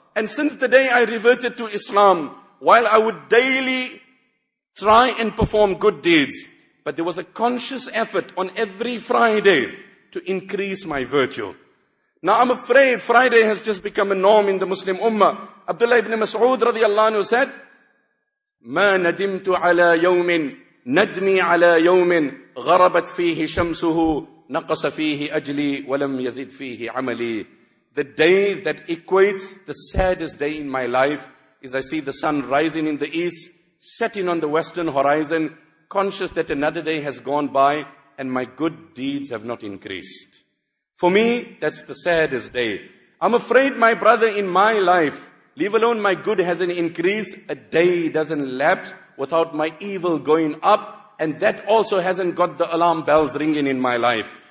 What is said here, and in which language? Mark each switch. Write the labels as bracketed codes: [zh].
[en] And since the day I reverted to Islam, while I would daily try and perform good deeds, but there was a conscious effort on every Friday to increase my virtue. Now I'm afraid Friday has just become a norm in the Muslim Ummah. Abdullah ibn Mas'ud radiallahu anhu said, [ar] مَا نَدِمْتُ عَلَى يَوْمٍ نَدْمِي عَلَى يَوْمٍ غَرَبَتْ فِيهِ شَمْسُهُ نَقَصَ فِيهِ أَجْلِي وَلَمْ يَزِدْ فِيهِ عَمَلِي. [en] The day that equates the saddest day in my life is I see the sun rising in the east, setting on the western horizon, conscious that another day has gone by and my good deeds have not increased. For me, that's the saddest day. I'm afraid, my brother, in my life, leave alone my good hasn't increased, a day doesn't lapse without my evil going up, and that also hasn't got the alarm bells ringing in my life.